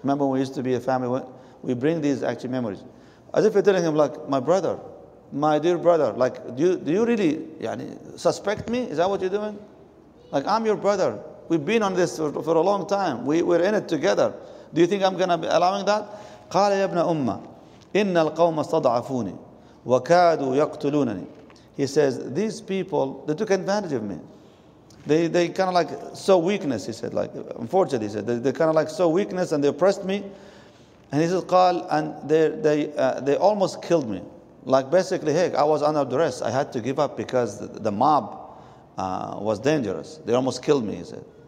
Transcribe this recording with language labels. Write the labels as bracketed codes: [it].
[en] Remember when we used to be a family? We bring these actual memories. As if you're telling him, like, my brother, my dear brother, like, do you really suspect me? Is that what you're doing? Like, I'm your brother. We've been on this for a long time. We're in it together. Do you think I'm going to be allowing that? [ar] قَالَ يَبْنَ أُمَّ. إن القوم استضعفوني وكادوا يقتلونني. [en] He says, these people, they took advantage of me. They kind of like sow weakness, he said, like, unfortunately, he said, they kind of like sow weakness and they oppressed me. And he says, قال, and they almost killed me. Like, basically, heck, I was under duress. I had to give up because the mob was dangerous. They almost killed me, he said.